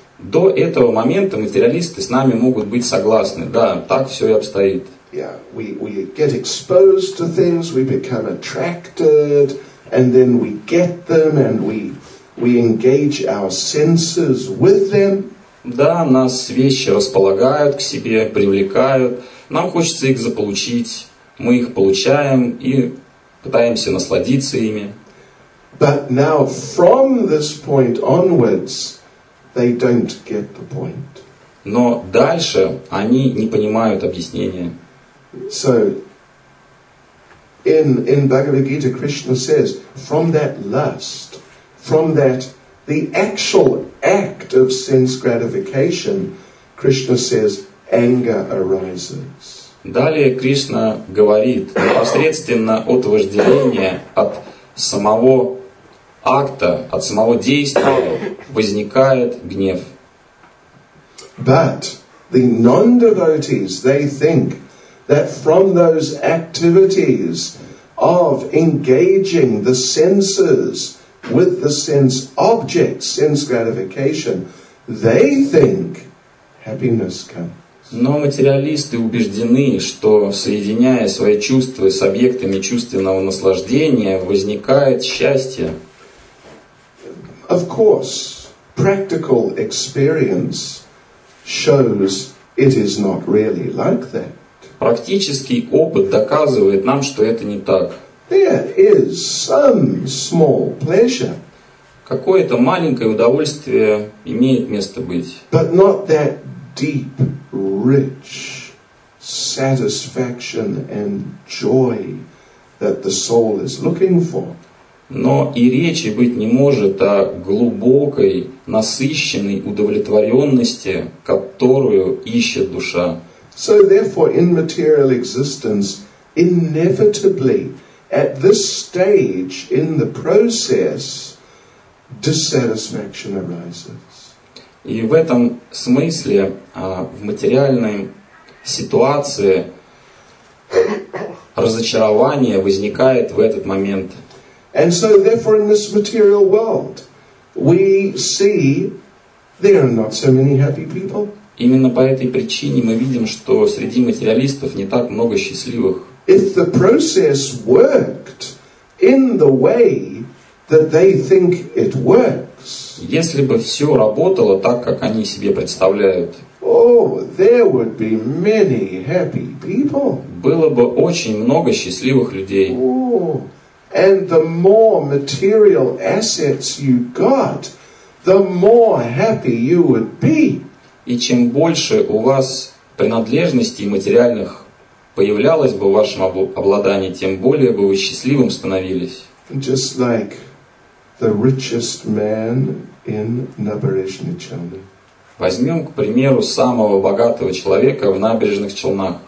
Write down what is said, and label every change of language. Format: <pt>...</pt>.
<ru>До этого момента материалисты с нами могут быть согласны. Да, так все и обстоит.</ru> <en>Yeah, we get exposed to things, we become attracted, and then we get them, and we engage our senses with them.</en> <ru>Да, нас вещи располагают к себе, привлекают. Нам хочется их заполучить. Мы их получаем и пытаемся насладиться ими.</ru> <en>But now from this point onwards, they don't get the point.</en> <ru>Но дальше они не понимают объяснения.</ru> <en>So, in Bhagavad Gita, Krishna says, from that lust, from that, the actual act of sense gratification, Krishna says, anger arises.</en> <ru>Далее Кришна говорит, непосредственно от вожделения, от самого акта, от самого действия возникает гнев.</ru> <en>But the non-devotees, they think that from those activities of engaging the senses with the sense object, sense gratification, they think happiness comes.</en> <ru>Но материалисты убеждены, что соединяя свои чувства с объектами чувственного наслаждения, возникает счастье.</ru> <en>Of course, practical experience shows it is not really like that.</en> <ru>Практический опыт доказывает нам, что это не так.</ru> <en>There is some small pleasure.</en> <ru>Какое-то маленькое удовольствие имеет место быть.</ru> <en>But not that deep. Rich satisfaction and joy that the soul is looking for.</en> <ru>Но и речи быть не может о глубокой, насыщенной удовлетворенности, которую ищет душа.</ru> <en>So therefore, in material existence, inevitably, at this stage in the process, dissatisfaction arises.</en> <ru>И в этом смысле, в материальной ситуации, разочарование возникает в этот момент.</ru> <en>And so therefore in this material world, we see there are not so many happy people.</en> <ru>Именно по этой причине мы видим, что среди материалистов не так много счастливых.</ru> <en>If the process worked in the way that they think it worked,</en> <ru>если бы все работало так, как они себе представляют,</ru> <en>there would be many happy people.</en> <ru>Было бы очень много счастливых людей.</ru> <en>And the more material assets you got, the more happy you would be.</en> <ru>И чем больше у вас принадлежностей материальных появлялось бы в вашем обладании, тем более бы вы счастливым становились.</ru> <en>Just like the richest man in Набережных Челнах.</en> <ru>Возьмем, к примеру, самого богатого человека в Набережных Челнах.</ru>